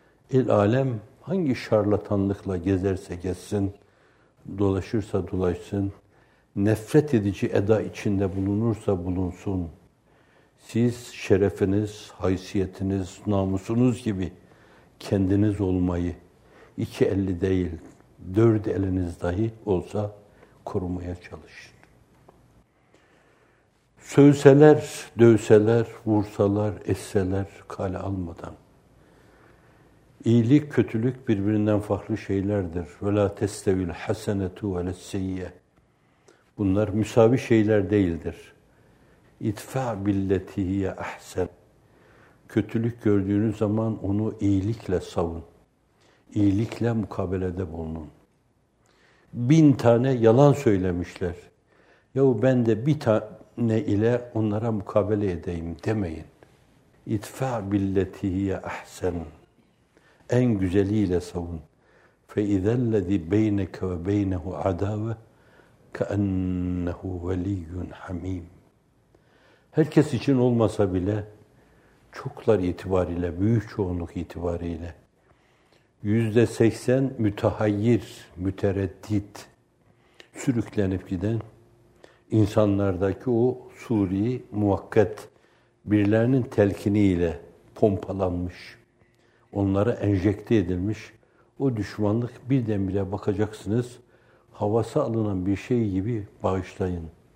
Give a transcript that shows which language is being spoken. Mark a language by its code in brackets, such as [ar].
[tr] İl alem hangi şarlatanlıkla gezerse gezsin, dolaşırsa dolaşsın, nefret edici eda içinde bulunursa bulunsun, siz şerefiniz, haysiyetiniz, namusunuz gibi kendiniz olmayı, iki elli değil, dört eliniz dahi olsa korumaya çalışın. Sövseler, dövseler, vursalar, esseler kale almadan. İyilik, kötülük birbirinden farklı şeylerdir. [ar] وَلَا تَسْتَوِ الْحَسَنَةُ وَلَا السَّيِّيَةِ [tr] Bunlar müsavi şeyler değildir. [ar] اِتْفَعْ بِالَّتِي هِيَ اَحْسَنَ [tr] Kötülük gördüğünüz zaman onu iyilikle savun. İyilikle mukabelede bulunun. Bin tane yalan söylemişler. Yahu ben de bir tane ile onlara mukabele edeyim demeyin. [ar] اِتْفَعْ بِالَّتِي هِيَ اَحْسَنَ [tr] En güzeliyle savun. [ar] فَاِذَا الَّذِي بَيْنَكَ وَبَيْنَهُ عَدَاوَةٌ كَأَنَّهُ وَلِيٌّ حَمِيمٌ [tr] Herkes için olmasa bile, çoklar itibariyle, büyük çoğunluk itibariyle, %80 mütehayyir, mütereddit, sürüklenip giden insanlardaki o suri, muvakkat, birilerinin telkiniyle pompalanmış, onlara enjekte edilmiş, o düşmanlık birdenbire bakacaksınız, havası alınan bir şey gibi bağışlayın.